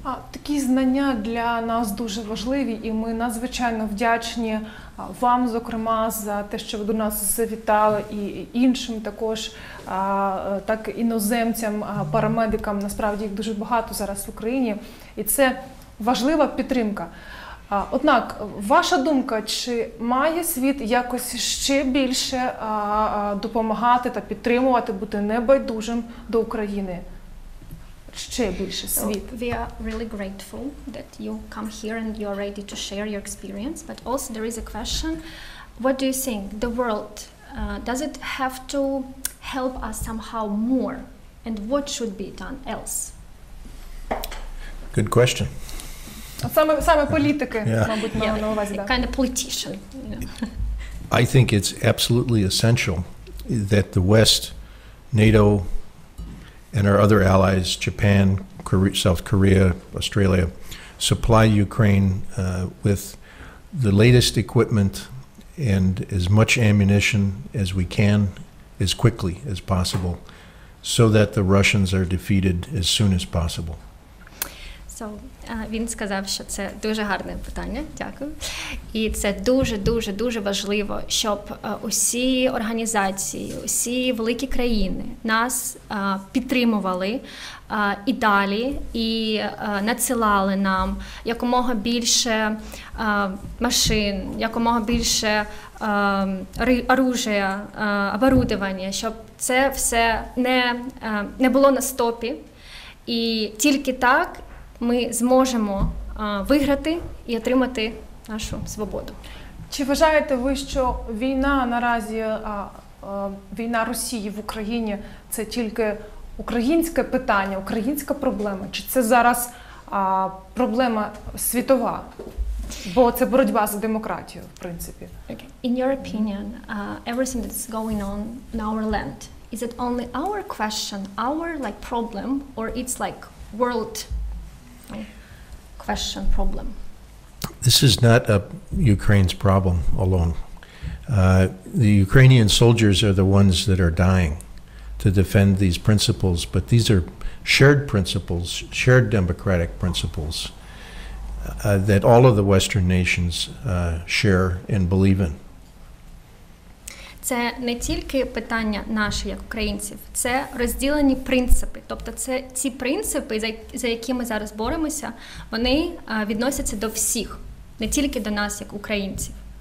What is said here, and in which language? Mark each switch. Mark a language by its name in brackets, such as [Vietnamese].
[Ukrainian] Такі знання для нас дуже важливі, і ми надзвичайно вдячні вам, зокрема, за те, що ви до нас завітали, і іншим також, так іноземцям, парамедикам, насправді їх дуже багато зараз в Україні, і це важлива підтримка. Однак, ваша думка, чи має світ якось ще більше допомагати та підтримувати, бути небайдужим до України? Ще більше світ? [English] So, we are really grateful that you come here and you are ready to share your experience. But also there is a question. What do you think? The world, does it have to help us somehow more? And what should be done else? Good question. [Ukrainian] Саме політики, мабуть, мали на увазі. [English] Yeah, kind of politician. You know. I think it's absolutely essential that the West, NATO, and our other allies, Japan, Korea, South Korea, Australia, supply Ukraine with the latest equipment and as much ammunition as we can, as quickly as possible, so that the Russians are defeated as soon as possible. So, [Ukrainian] він сказав, що це дуже гарне питання, дякую. І це дуже-дуже-дуже важливо, щоб усі організації, усі великі країни нас підтримували і далі, і надсилали нам якомога більше машин, якомога більше оружия, оборудування, щоб це все не було на стопі. І тільки так ми зможемо виграти і отримати нашу свободу. Чи вважаєте ви, що війна наразі, війна Росії в Україні, це тільки українське питання, українська проблема? Чи це зараз проблема світова? Бо це боротьба за демократію, в принципі. [English] Okay. In your opinion, everything that's going on in our land, is it only our question, our like problem, or it's like world question, problem? This is not a Ukraine's problem alone. The Ukrainian soldiers are the ones that are dying to defend these principles, but these are shared principles, shared democratic principles that all of the Western nations share and believe in. [Ukrainian] Це не тільки питання наше, як українців, це розділені принципи. Тобто це ці принципи, за які ми зараз боремося, вони відносяться до всіх, не тільки до нас, як українців.